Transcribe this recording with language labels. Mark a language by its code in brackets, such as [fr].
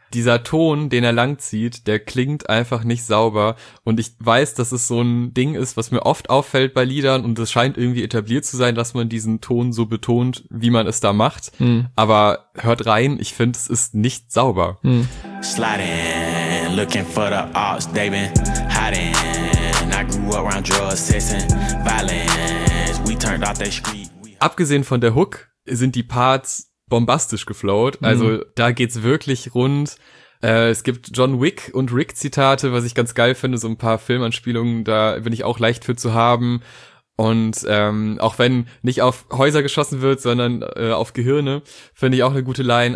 [de] Dieser Ton, den er langzieht, der klingt einfach nicht sauber. Und ich weiß, dass es so ein Ding ist, was mir oft auffällt bei Liedern. Und es scheint irgendwie etabliert zu sein, dass man diesen Ton so betont, wie man es da macht. Hm. Aber hört rein, ich finde, es ist nicht sauber. Hm. [en] Sliding, looking for the ops, they been hiding. I grew around drugs, sex and violence. We turned off that street. [de] Abgesehen von der Hook sind die Parts bombastisch geflowt, also da geht's wirklich rund. Es gibt John Wick und Rick-Zitate, was ich ganz geil finde, so ein paar Filmanspielungen, da bin ich auch leicht für zu haben. Und auch wenn nicht auf Häuser geschossen wird, sondern auf Gehirne, finde ich auch eine gute Line.